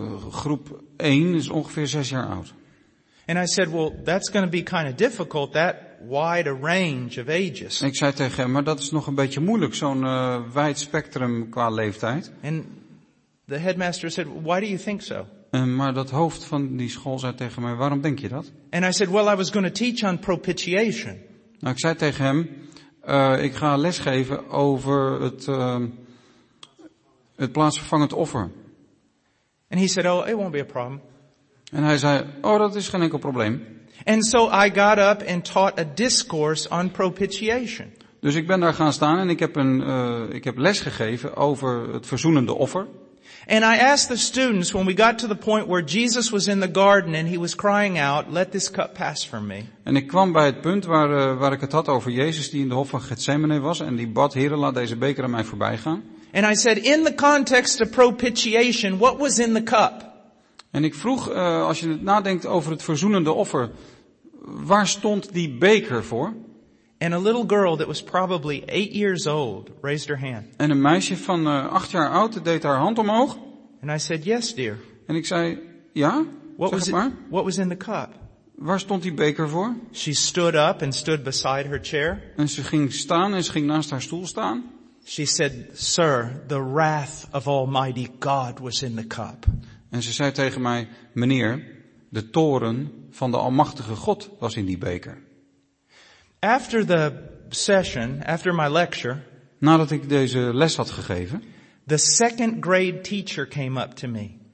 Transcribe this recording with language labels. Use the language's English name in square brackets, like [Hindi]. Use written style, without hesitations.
[Dutch] Groep 1 is ongeveer 6 jaar oud. [English] And I said, well, that's going to be kind of difficult, that wide a range of ages. [Dutch] Ik zei tegen hem, maar dat is nog een beetje moeilijk, zo'n wijd spectrum qua leeftijd. [English] And the headmaster said, why do you think so? [Dutch] Maar dat hoofd van die school zei tegen mij, waarom denk je dat? [English] And I said, well, I was going to teach on propitiation. [Dutch] Nou, ik zei tegen hem, ik ga lesgeven over het plaatsvervangend offer. [English] And he said, oh, it won't be a problem. [Dutch] En hij zei, oh, dat is geen enkel probleem. [English] And so I got up and taught a discourse on propitiation. [Dutch] Dus ik ben daar gaan staan en ik heb lesgegeven over het verzoenende offer. [English] And I asked the students when we got to the point where Jesus was in the garden and he was crying out, "Let this cup pass from me." [Dutch] En ik kwam bij het punt waar ik het had over Jezus die in de hof van Gethsemane was en die bad, "Heere, laat deze beker aan mij voorbij gaan." [English] And I said, "In the context of propitiation, what was in the cup?" [Dutch] En ik vroeg, als je nadenkt over het verzoenende offer, waar stond die beker voor? [English] And a little girl that was probably 8 years old raised her hand. [Dutch] En een meisje van 8 jaar oud deed haar hand omhoog. [English] And I said, "Yes, dear." [Dutch] En ik zei, "Ja?" [English] What was in the cup? [Dutch] Waar stond die beker voor? [English] She stood up and stood beside her chair. [Dutch] En ze ging staan en ze ging naast haar stoel staan. [English] She said, "Sir, the wrath of Almighty God was in the cup." [Dutch] En ze zei tegen mij, "Meneer, de toren van de Almachtige God was in die beker." [English] After the session, after my lecture, [Dutch] nadat ik deze les had gegeven, [English] the second grade teacher came up to me.